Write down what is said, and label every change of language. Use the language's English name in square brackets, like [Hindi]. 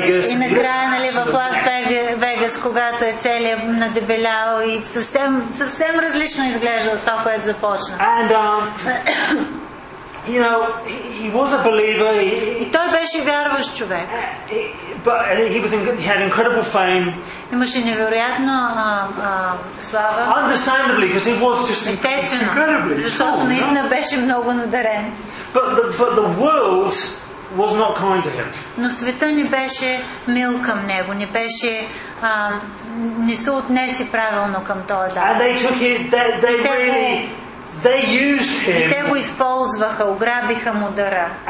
[Bulgarian] И накрая, нали, в Лас Вегас, когато е целия надебелял и съвсем, съвсем различно изглежда от това, което започна. [English] You know, he was a believer. [Bulgarian] И той беше вярващ човек. [English] He had incredible fame. [Bulgarian] Имаше невероятно слава. [English] Understandably, because he was just incredibly. [Bulgarian] Защото наистина беше много надарен. [English] But the world was not kind to him. [Bulgarian] Но света не беше мил към него, не беше не се отнесе правилно към този дар. [English] And they took it. They really. They used him. [Bulgarian] И те го използваха, ограбиха му дъра.